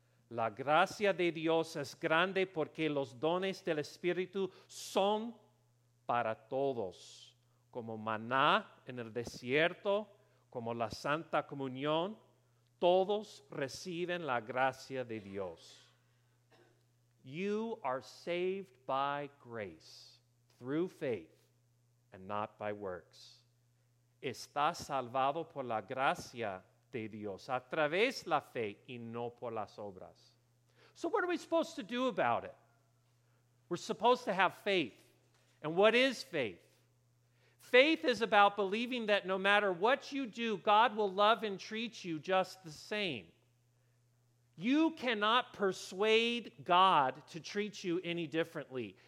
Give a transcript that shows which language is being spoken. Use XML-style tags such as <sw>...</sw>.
<es>La gracia de Dios es grande porque los dones del Espíritu son para todos. Como maná en el desierto, como la Santa Comunión, todos reciben la gracia de Dios.</es> <en>You are saved by grace, through faith, and not by works.</en> <es>Estás salvado por la gracia de Dios, a través la fe y no por las obras.</es> <en>So what are we supposed to do about it? We're supposed to have faith. And what is faith? Faith is about believing that no matter what you do, God will love and treat you just the same. You cannot persuade God to treat you any differently.</en>